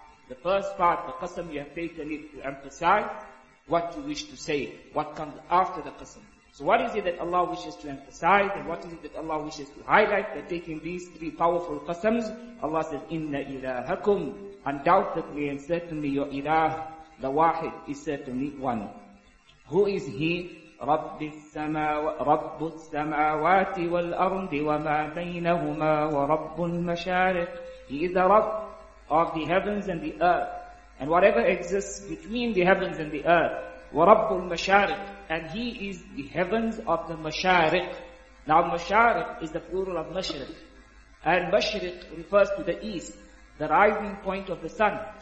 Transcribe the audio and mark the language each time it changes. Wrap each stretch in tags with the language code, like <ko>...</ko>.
<en>The first part, the qasam, you have taken it to emphasize what you wish to say, what comes after the qasam. So what is it that Allah wishes to emphasize, and what is it that Allah wishes to highlight by taking these three powerful qasams? Allah says, Inna ilahakum, undoubtedly and certainly your ilah, the wahid, is certainly one. Who is he?</en> <ar>رب السماوات والأرض وما بينهما ورب المشارق.</ar> <en>He is the Rabb of the heavens and the earth, and whatever exists between the heavens and the earth.</en> <ar>ورب المشارق.</ar> <en>And he is the heavens of the مشارق. Now مشارق is the plural of مشرق. And مشرق refers to the east, the rising point of the sun.</en>